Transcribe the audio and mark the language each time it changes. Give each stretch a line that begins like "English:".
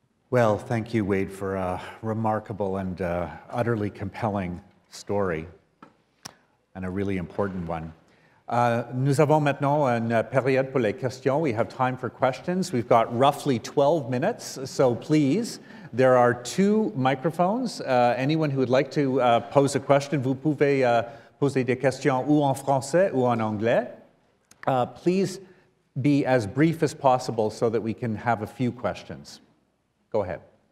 English: Well, thank you, Wade, for a remarkable and utterly compelling story, and a really important one.
French: Nous avons maintenant une période pour les questions.
English: We have time for questions. We've got roughly 12 minutes, so please, there are two microphones. Anyone who would like to pose a question,
French: vous pouvez poser des questions ou en français ou en anglais.
English: Please be as brief as possible so that we can have a few questions. Go ahead.